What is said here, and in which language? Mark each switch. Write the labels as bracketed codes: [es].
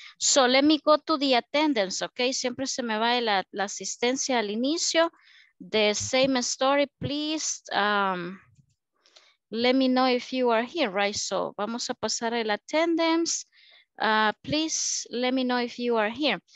[en] So let me go to the attendance, okay? [es] Siempre se me va la asistencia al inicio. [en] The same story, please. Let me know if you are here, right? So [es] vamos a pasar el [en] attendance. Please let me know if you are here.